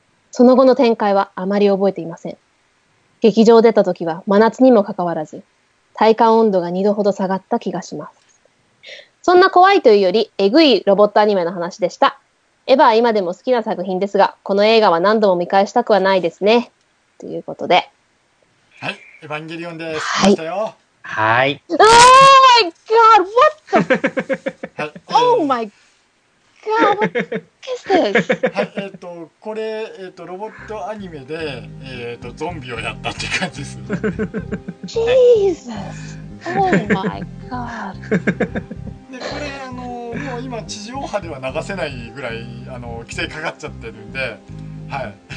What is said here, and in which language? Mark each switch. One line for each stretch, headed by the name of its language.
Japanese: その後の展開はあまり覚えていません。劇場出た時は真夏にもかかわらず体感温度が2度ほど下がった気がします。そんな怖いというよりえぐいロボットアニメの話でした。エヴァは今でも好きな作品ですが、この映画は何度も見返したくはないですね、ということで。はい、エヴァンゲリオンです。はい、来ましたよ。
English: はい、 Oh my god, what the Oh my god, what is this?
Japanese: はい、これ、ロボットアニメで、ゾンビをやったって感じです
English: ね。Jesus, oh my god。
Japanese: これもう今地上波では流せないぐらい規制かかっちゃってるんで、はい、